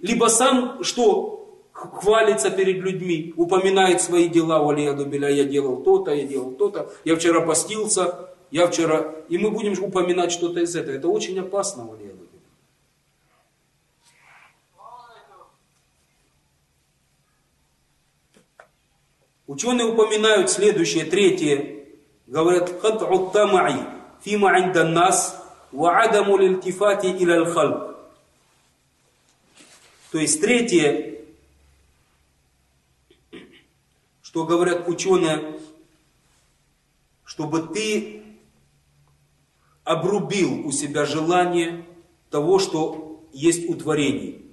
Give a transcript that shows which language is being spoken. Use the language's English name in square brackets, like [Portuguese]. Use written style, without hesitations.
[Russian] Либо сам что? Хвалится перед людьми, упоминает свои дела, я делал то-то, я делал то-то, я вчера постился, и мы будем упоминать что-то из этого. Это очень опасно, ученые упоминают следующее, третье. Говорят, [Arabic] قَطْعُ التَّمَعِ فِي مَا عِنْدَ النَّاسِ وَعَدَمُ الْإِلْتِفَاتِ إِلَى الْخَلْقِ. [Russian] То есть третье, что говорят ученые, чтобы ты обрубил у себя желание того, что есть у творений.